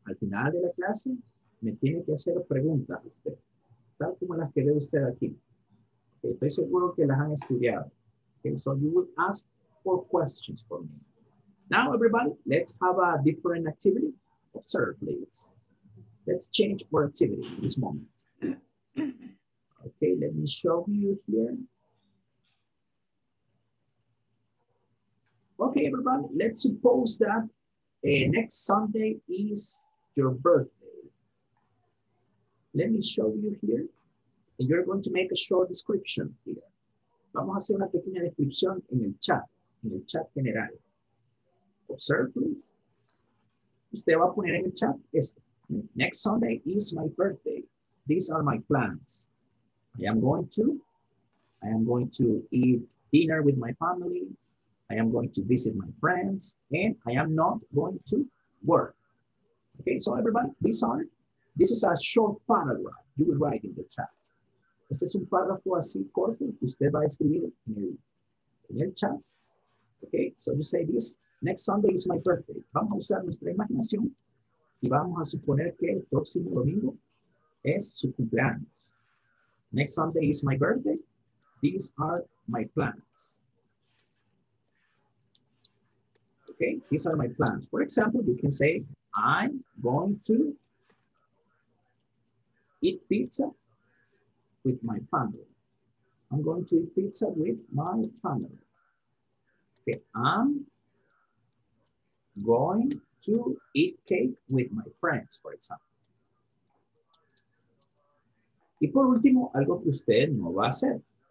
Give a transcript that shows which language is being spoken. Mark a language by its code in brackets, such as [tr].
[es] Al final de la clase, me tiene que hacer preguntas a usted, tal como las que ve usted aquí. Okay, estoy seguro que las han estudiado. [en] Okay, so you will ask four questions for me. Now, everybody, let's have a different activity. Observe, please. Let's change our activity in this moment. Okay, let me show you here. Okay, everybody, let's suppose that next Sunday is your birthday. Let me show you here. And you're going to make a short description here. [es] Vamos a hacer una pequeña descripción en el chat general. [en] Observe, please. [es] Usted va a poner en el chat esto. [en] Next Sunday is my birthday. These are my plans. I am going to eat dinner with my family. I am going to visit my friends, and I am not going to work. Okay, so everybody, this is a short paragraph you will write in the chat. [es] Este es un párrafo así corto que usted va a escribir en el chat. [en] Okay, so you say this, next Sunday is my birthday. [es] Vamos a usar nuestra imaginación y vamos a suponer que el próximo domingo es su cumpleaños. [en] Next Sunday is my birthday. These are my plans. Okay, these are my plans. For example, you can say, I'm going to eat pizza with my family. I'm going to eat pizza with my family. Okay, I'm going to eat cake with my friends, for example. [es] Y por último, algo que usted no va a hacer.